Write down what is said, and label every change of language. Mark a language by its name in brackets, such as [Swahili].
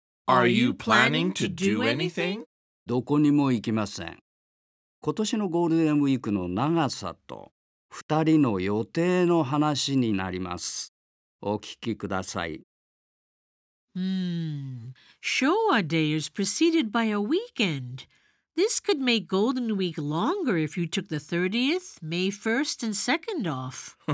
[English] Are you planning to do anything? [Japanese] どこにも行きません。今年のゴールデンウィークの長さと2人の予定の話になります。お聞きください。 [English] Showa Day is preceded by a weekend. This could make Golden Week longer if you took the 30th, May 1st and 2nd off.